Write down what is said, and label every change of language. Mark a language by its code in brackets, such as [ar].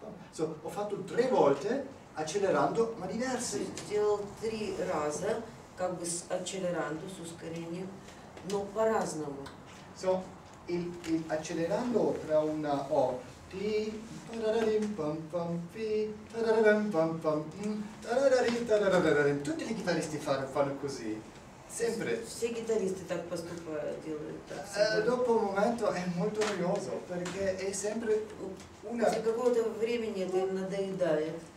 [it] So, ho fatto tre volte accelerando, ma diverso. [ru] Сделал три раза, как бы с accelerando, с ускорением, но по-разному. [it] So, il accelerando tra una O. Ti tararim pam pam fi tararim pam pam tararim tararim. Tutti i chitarristi fanno così, sempre. [ru] Все гитаристы так поступают, делают так. [it] Dopo un momento è molto noioso, perché è sempre una. [ru] Se какого-то времени это им надоедает.